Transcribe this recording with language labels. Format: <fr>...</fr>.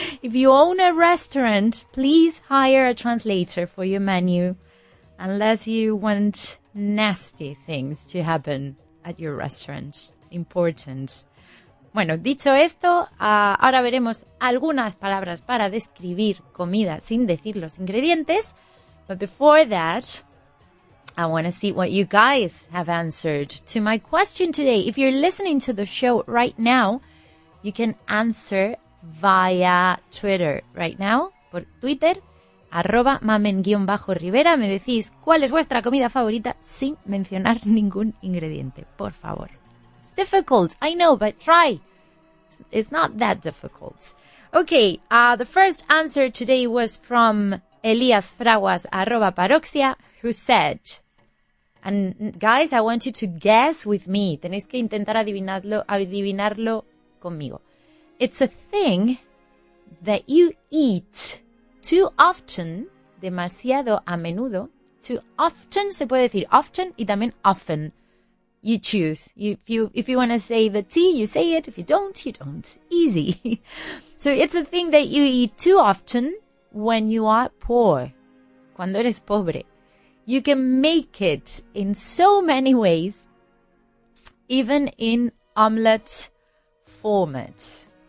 <en>If you own a restaurant, please hire a translator for your menu unless you want nasty things to happen at your restaurant. Important.</en> <es>Bueno, dicho esto, ahora veremos algunas palabras para describir comida sin decir los ingredientes.</es> <en>But before that, I want to see what you guys have answered to my question today. If you're listening to the show right now, you can answer via Twitter right now,</en> <es>por Twitter,</es> <en>@mamen_rivera.</en> <es>Me decís cuál es vuestra comida favorita sin mencionar ningún ingrediente, por favor.</es> <en>It's difficult, I know, but try. It's not that difficult. Okay, the first answer today was from Elias Fraguas, @paroxia, who said, and guys, I want you to guess with me.</en> <es>Tenéis que intentar adivinarlo conmigo.</es> <en>It's a thing that you eat too often,</en> <es>demasiado a menudo.</es> <en>Too often,</en> <es>se puede decir often y también often.</es> <en>You choose. If you want to say the T, you say it. If you don't, you don't. Easy. So it's a thing that you eat too often when you are poor.</en> <es>Cuando eres pobre.</es> <en>You can make it in so many ways, even in omelet format.</en>